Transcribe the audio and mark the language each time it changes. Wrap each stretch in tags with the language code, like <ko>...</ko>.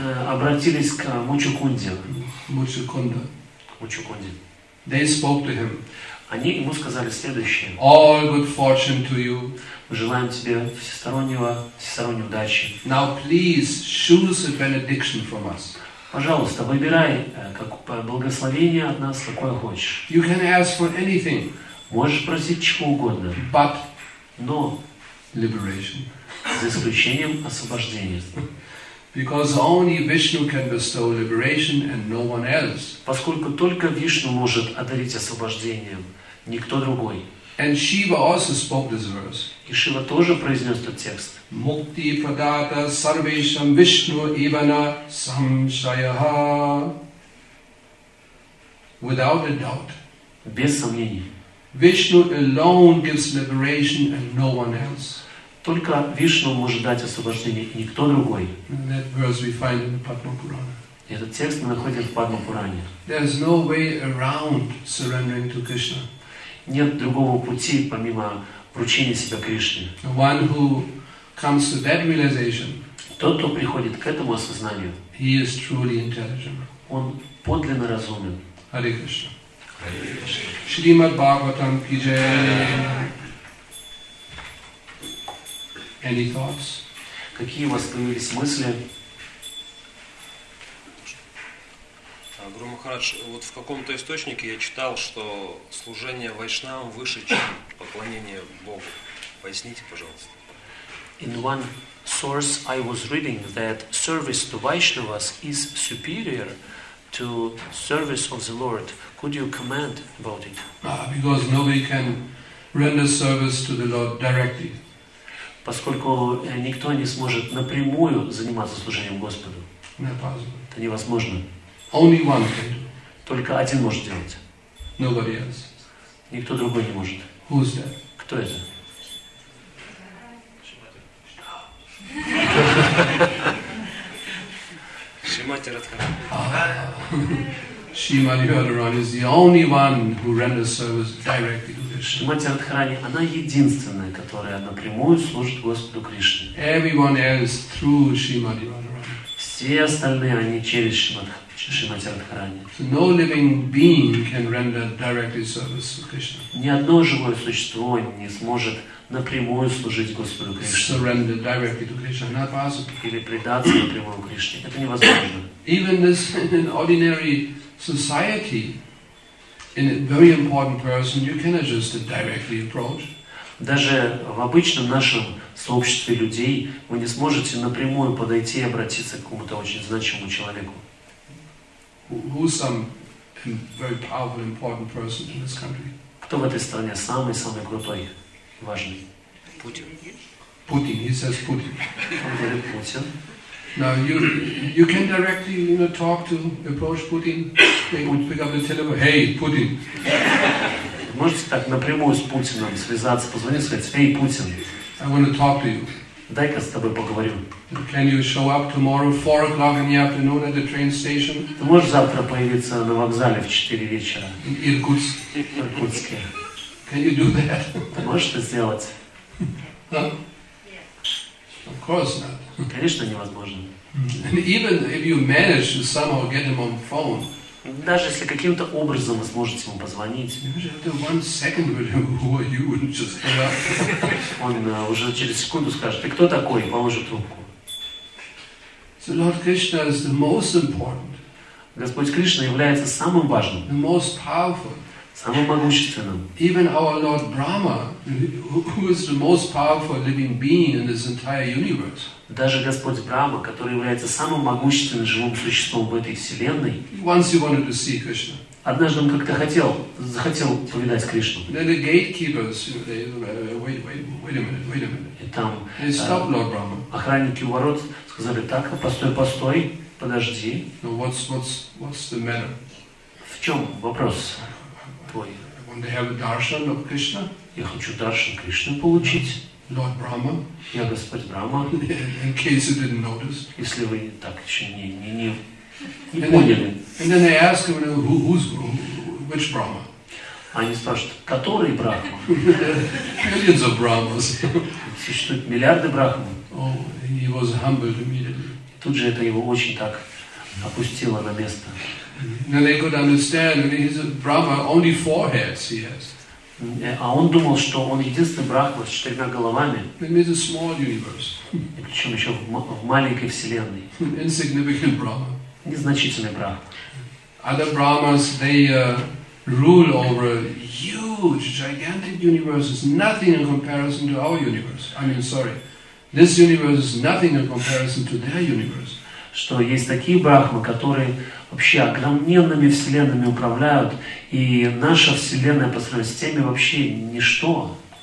<ru>обратились к Мучукунде.</ru> <en>Мучукунда. They spoke to him.</en> <ru>Они ему сказали следующее.</ru> <en>All good fortune to you.</en> <ru>Мы желаем тебе всесторонней удачи.</ru> <en>Now please choose a benediction from us.</en> <ru>Пожалуйста, выбирай как благословение от нас, какое хочешь.</ru> <en>You can ask for anything.</en> <ru>Можешь просить чего угодно.</ru> <en>But.</en> <ru>Но.</ru> <en>Liberation.</en> <ru>За исключением освобождения.</ru> <en>Because only Vishnu can bestow liberation and no one else.</en> <ru>Поскольку только Вишну может одарить освобождением, никто другой.</ru> <en>And Shiva also spoke this verse.</en> <ru>И Шива тоже произнес этот текст.</ru> <sa>Мукти прадата сарвешам Вишну ивана самшаяха.</sa> <en>Without a doubt.</en> <ru>Без сомнений.</ru> <en>Vishnu alone gives liberation and no one else.</en> <ru>Только Вишну может дать освобождение, никто другой.</ru> <en>That verse we find in the Padma Purana.</en> <ru>Этот текст мы находим в Падма Пуране.</ru> <en>There is no way around surrendering to Krishna.</en> <ru>Нет другого пути, помимо вручения себя Кришне.</ru> <en>One who comes to that realization,</en> <ru>тот, кто приходит к этому осознанию,</ru> <en>he is truly intelligent.</en> <ru>Он подлинно разумен.</ru> <en>Hare Krishna. Shrimad Bhagavatam Pijaya. Any thoughts?</en> <ru>Какие у вас появились мысли? Гуру Махарадж, вот в каком-то источнике я читал, что служение вайшнавам выше, чем поклонение Богу. Поясните, пожалуйста.</ru> <en>In one source I was reading that service to Vaishnavas is superior to service of the Lord. Could you comment about it? Because nobody can render service to the Lord directly.</en> <ru>Поскольку никто не сможет напрямую заниматься служением Господу. Это невозможно.</ru> <en>Only one can do.</en> <ru>Только один может делать.</ru> <en>Nobody else.</en> <ru>Никто другой не может.</ru> <en>Who's that?</en> <ru>Кто это? Шримати Радхарани.</ru> <en>Шримати Радхарани is the only one who renders service directly to Krishna.</en> <ru>Шримати Радхарани, она единственная, которая напрямую служит Господу Кришне.</ru> <en>Everyone else through Шримати Радхарани.</en> <ru>Все остальные, они через Шримати Радхарани.</ru> <en>So no living being can render directly service to Krishna.</en> <ru>Ни одно живое существо не сможет напрямую служить Господу Кришне.</ru> <en>Surrender directly to Krishna, not possible.</en> <ru>Или предаться напрямую Кришне. Это невозможно.</ru> <en>Even this in an ordinary society, in a very important person, you cannot just directly approach.</en> <ru>Даже в обычном нашем сообществе людей вы не сможете напрямую подойти и обратиться к какому-то очень значимому человеку.</ru> <en>Who's some very powerful, important person in this country?</en> <ru>Кто в этой стране самый крутой? Важный. Путин. Путин.</ru> <en>He says Путин.</en> <ru>Он говорит Путин.</ru> <en>Now you can directly, you know, talk to, approach Putin. They would pick up the telephone. Hey, Putin.</en> <ru>Можете так напрямую с Путиным связаться, позвонить, сказать:</ru> <en>Hey, Putin. I want to talk to you.</en> <ru>Дай-ка с тобой поговорю.</ru> <en>Can you show up tomorrow 4:00 in the afternoon at the train station?</en> <ru>Ты можешь завтра появиться на вокзале в 4 вечера.</ru> <en>Иркутске. Can you do that?</en> <ru>Можешь это сделать?</ru> <en>Of course not.</en> <ru>Конечно, невозможно.</ru> <en>Even if you manage to somehow get him on phone.</en> <ru>Даже если каким-то образом вы сможете ему позвонить.</ru> <en>After 1 second, who are you? Just hang up.</en> <ru>Он уже через секунду скажет: ты кто такой? Положи трубку.</ru> <en>So Lord Krishna is the most important.</en> <ru>Господь Кришна является самым важным.</ru> <en>The most powerful.</en> <ru>Самым могущественным.</ru> <en>Even our Lord Brahma, who is the most powerful living being in this entire universe.</en> <ru>Даже Господь Брахма, который является самым могущественным живым существом в этой вселенной.</ru> <en>Once he wanted to see Krishna.</en> <ru>Однажды он как-то захотел повидать Кришну.</ru> <en>Then the gatekeepers, they wait a minute.</en> <ru>И там,</ru> <en>they stopped Lord Brahma.</en> <ru>Охранники у ворот сказали: так, постой, подожди.</ru> <en>Now what's the matter?</en> <ru>В чем вопрос?</ru> <en>I want to have a darshan of Krishna.</en> <ru>Я хочу даршан Кришны получить.</ru> <en>Lord Brahma.</en> <ru>Я Господь Брахма.</ru> <en>In case you didn't notice.</en> <ru>Если вы так еще не поняли.</ru> <en>And then they ask him, which Brahma?</en> <ru>Они спрашивают: который Брахма?</ru> <en>Millions of Brahmas.</en> <ru>Существуют миллиарды Брахм.</ru> <en>Oh, he was humbled immediately.</en> <ru>Тут же это его очень так опустило на место.</ru> <en>Now they could understand. He's a Brahma. Only 4 heads he has.</en> <ru>А он думал, что он единственный Брахма с 4 головами.</ru> <en>It means a small universe.</en> <ru>И причем еще в маленькой вселенной.</ru> <en>Insignificant Brahma.</en> <ru>Незначительный Брахма.</ru> <en>Other Brahmas, they rule over huge, gigantic universes. Nothing in comparison to our universe. This universe is nothing in comparison to their universe.</en> <ru>Что есть такие Брахмы, которые вообще огромненными вселенными управляют, и наша вселенная по сравнению с теми вообще ничто.</ru>